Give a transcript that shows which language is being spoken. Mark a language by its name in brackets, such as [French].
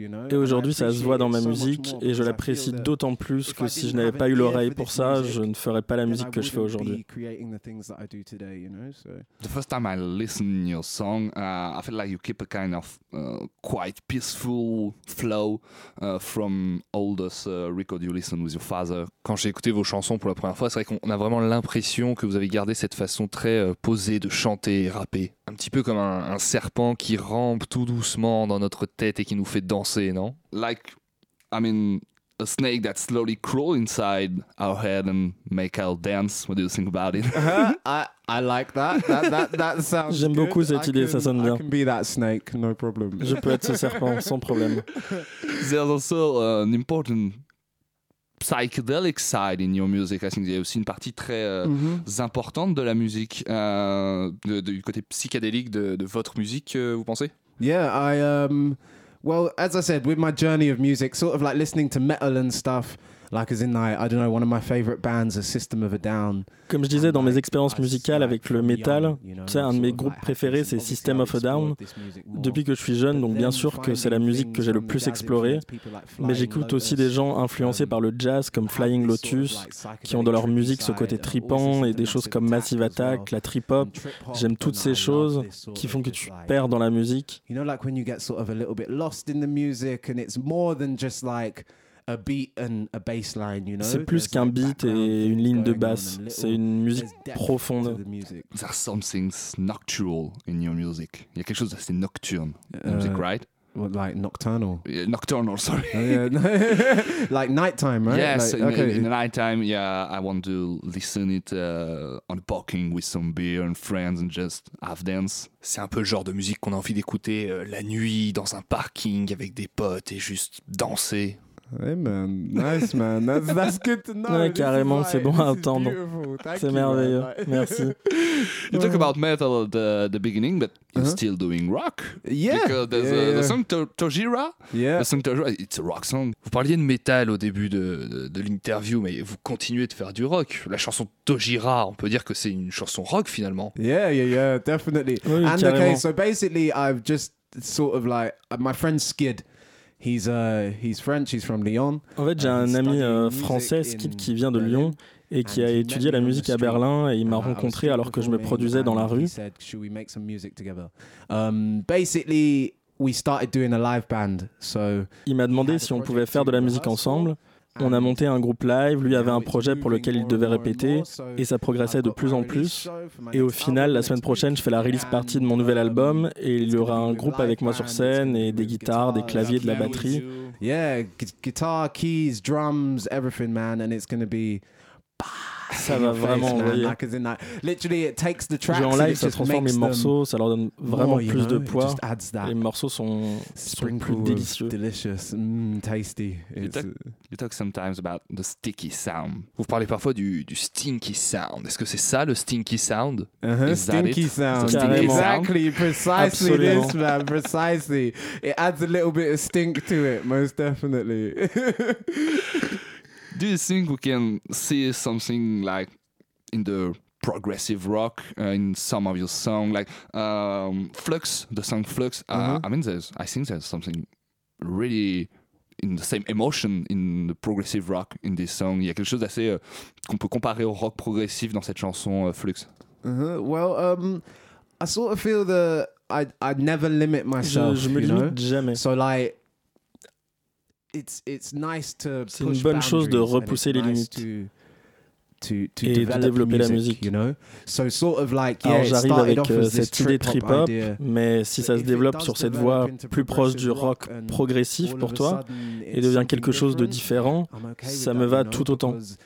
[French] Et aujourd'hui, ça se voit dans ma musique et je l'apprécie d'autant plus que si je n'avais pas eu l'oreille pour ça, je ne ferais pas la musique que je fais aujourd'hui. [English] The first time I listened to your song, I felt like you keep a kind of quite peaceful flow from all those records you listen with your father. [French] Quand j'ai écouté vos chansons pour la première fois, c'est vrai qu'on a vraiment l'impression que vous avez gardé cette façon très posée de chanter et rapper. Un petit peu comme un serpent qui rampe tout doucement dans notre tête et qui nous fait danser, non? [English] Like, I mean, a snake that slowly crawls inside our head and make our dance. What do you think about it? I like that. That sounds [French] J'aime [English] good. [French] J'aime beaucoup cette idée, ça sonne bien. [English] I can be that snake, no problem. [French] Je peux être ce serpent, sans problème. [English] There's also an important psychedelic side in your music. I think there's also a part very important of the music, the psychedelic side of your music. You think? Yeah, I. Well, as I said, with my journey of music, sort of like listening to metal and stuff. Like as in like, I don't know, one of my favorite bands is System of a Down. [French] Comme je disais dans mes expériences musicales avec le métal, tu sais, un de mes groupes préférés c'est System of a Down. Depuis que je suis jeune, donc bien sûr que c'est la musique que j'ai le plus explorée. Mais j'écoute aussi des gens influencés par le jazz comme Flying Lotus, qui ont dans leur musique ce côté trippant et des choses comme Massive Attack, la trip hop. J'aime toutes ces choses qui font que tu perds dans la musique. [English] You know, like when you get sort of a little bit lost in the music and it's more than just like a beat and a bass line, you know? [French] C'est plus qu'un beat et une ligne de basse. C'est une musique profonde. [English] There's something nocturnal in your music. [French] Il y a quelque chose d'assez nocturne. [English] Music, right? What, like nocturnal? Yeah, nocturnal, sorry. Like nighttime, right? Yes, like, okay. In the nighttime, yeah, I want to listen it on a parking with some beer and friends and just have dance. [French] C'est un peu le genre de musique qu'on a envie d'écouter la nuit dans un parking avec des potes et juste danser. [English] Hey man, nice man, that's good to know. [French] Ouais, carrément, c'est bon à entendre. C'est merveilleux, merci. [English] You talk about metal at the beginning, but you're still doing rock. Yeah. Because there's the song Tojira. Yeah. The song Tojira, it's a rock song. [French] Vous parliez de metal au début de l'interview, mais vous continuez de faire du rock. La chanson Tojira, on peut dire que c'est une chanson rock finalement. [English] Yeah, definitely. [French] Oui, [English] and [French] carrément. [English] Okay, so basically, I've just sort of like my friend Skid. He's French, he's from Lyon. [French] En fait, j'ai un ami français, Skid, qui vient de Lyon et qui a étudié la musique à Berlin et il m'a rencontré alors que je me produisais dans la rue. [English] He said, should we make some music together? Basically, we started doing a live band. So [French] il m'a demandé si on pouvait faire de la musique ensemble. On a monté un groupe live, lui avait un projet pour lequel il devait répéter et ça progressait de plus en plus. Et au final, la semaine prochaine, je fais la release party de mon nouvel album et il y aura un groupe avec moi sur scène et des guitares, des claviers, de la batterie. [English] Guitar, keys, drums, everything, man, and it's gonna be. [French] Ça va vraiment envoyer. Genre en live, ça transforme les morceaux, ça leur donne vraiment plus de poids. Les morceaux sont plus délicieux. [English] Delicious, tasty. You talk sometimes about the stinky sound. [French] Vous parlez parfois du stinky sound. Est-ce que c'est ça le stinky sound? [English] Stinky sound. Exactly, precisely this, man. Precisely. It adds a little bit of stink to it, most definitely. Do you think we can see something like in the progressive rock in some of your song, like Flux, the song Flux? I mean, I think there's something really in the same emotion in the progressive rock in this song. [French] Il y a quelque chose d'assez qu'on peut comparer au rock progressif dans cette chanson Flux. [English] I sort of feel that I'd never limit myself. [French] Je me limite jamais. [English] So like. It's nice to push. [French] C'est une bonne chose de repousser les limites et de développer la musique. [English] You know? So sort of like, [French] alors j'arrive avec cette idée trip-hop, mais si ça se développe sur cette voie plus proche du rock progressif pour toi et devient quelque chose de différent, ça me va tout autant.